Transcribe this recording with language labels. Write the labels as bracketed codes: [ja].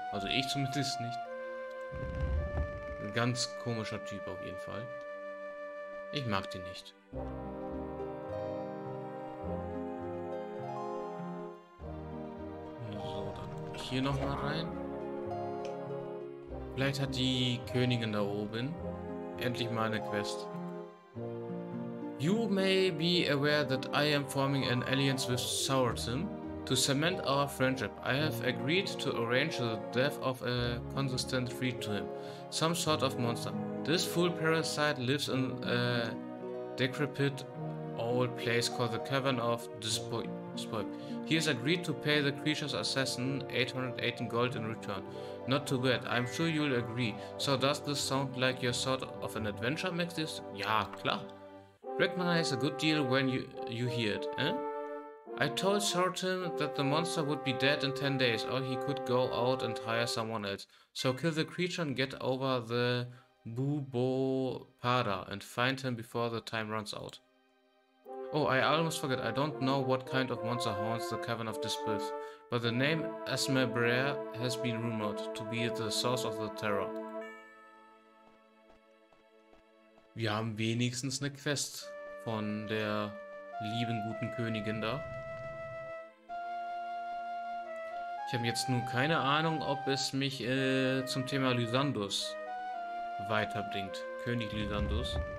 [de] Also ich zumindest nicht. Ein ganz komischer Typ auf jeden Fall. Ich mag den nicht. Hier noch mal rein. Vielleicht hat die Königin da oben endlich mal eine Quest. [en] You may be aware that I am forming an alliance with Sauratim to cement our friendship. I have agreed to arrange the death of a consistent threat to him, some sort of monster. This fool parasite lives in a decrepit old place called the Cavern of Despoip. He has agreed to pay the creature's assassin 818 gold in return. Not too bad, I'm sure you'll agree. So does this sound like your sort of an adventure, Maxis? [de] Ja, klar. [en] Recognize a good deal when you hear it, eh? I told Sauratim that the monster would be dead in 10 days, or he could go out and hire someone else. So kill the creature and get over the Bubopara and find him before the time runs out. Oh, I almost forget. I don't know what kind of monster haunts the Cavern of Dispel, but the name Esmebrer has been rumored to be the source of the terror. [de] Wir haben wenigstens eine Quest von der lieben guten Königin da. Ich habe jetzt nur keine Ahnung, ob es mich zum Thema Lysandus weiterbringt. König Lysandus.